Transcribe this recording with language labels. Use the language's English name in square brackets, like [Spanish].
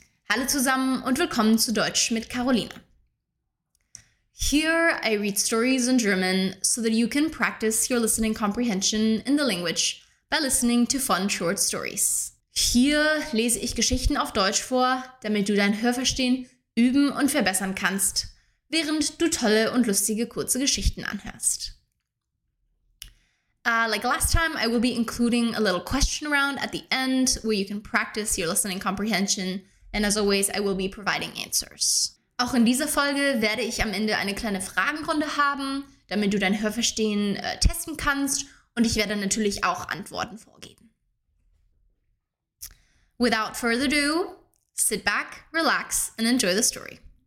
[German] Hallo zusammen und willkommen zu Deutsch mit Carolina. [English] Here I read stories in German so that you can practice your listening comprehension in the language by listening to fun short stories. [German] Hier lese ich Geschichten auf Deutsch vor, damit du dein Hörverstehen üben und verbessern kannst, während du tolle und lustige kurze Geschichten anhörst. [English] Like last time, I will be including a little question round at the end where you can practice your listening comprehension. And as always, I will be providing answers. [German] Auch in dieser Folge werde ich am Ende eine kleine Fragenrunde haben, damit du dein Hörverstehen testen kannst. Und ich werde natürlich auch Antworten vorgeben. [English] Without further ado, sit back, relax and enjoy the story.